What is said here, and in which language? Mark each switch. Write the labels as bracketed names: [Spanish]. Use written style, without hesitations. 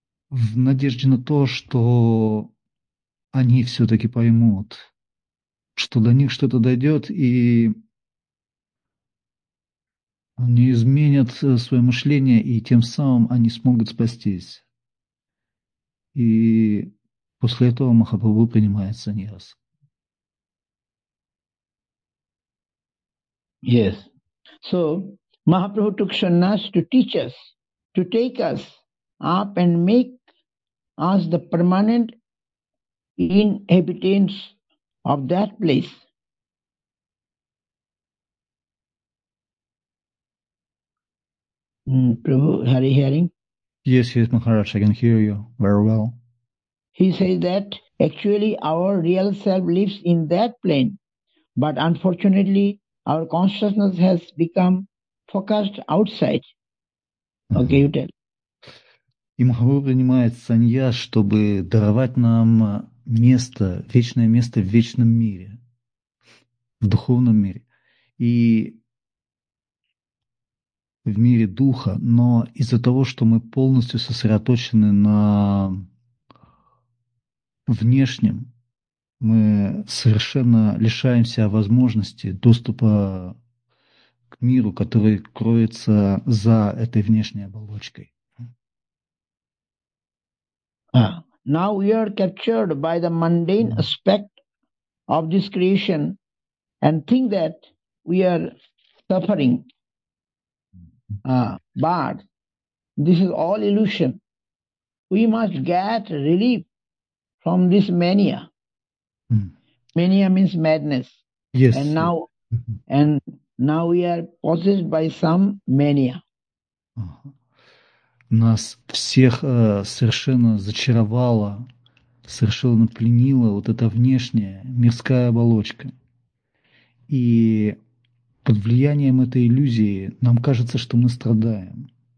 [Russian] В надежде на то, что они все-таки поймут, что до них что-то дойдет, и они изменят свое мышление, и тем самым они смогут спастись. И после этого Махапрабху принимает саньяс. [English] Yes. So, Mahaprabhu took sannyas to teach us, to take us up and make us the permanent inhabitants of that place. Prabhu, are you hearing? Yes, Maharaj, I can hear you very well. He says that actually our real self lives in that plane, but unfortunately, our consciousness has become focused outside. Okay, you tell. [Russian] И Махапрабху принимает саньяс, чтобы даровать нам место, вечное место в вечном мире, в духовном мире и в мире духа. Но из-за того, что мы полностью сосредоточены на внешнем, мы совершенно лишаемся возможности доступа к миру, который кроется за этой внешней оболочкой. [English] Now we are captured by the mundane aspect of this creation and think that we are suffering. But this is all illusion. We must get relief from this mania. Mania means madness. Yes. And now we are possessed by some mania. [Russian] Нас всех совершенно зачаровала, совершенно пленила вот эта внешняя мирская оболочка. И под влиянием этой иллюзии нам кажется, что мы страдаем.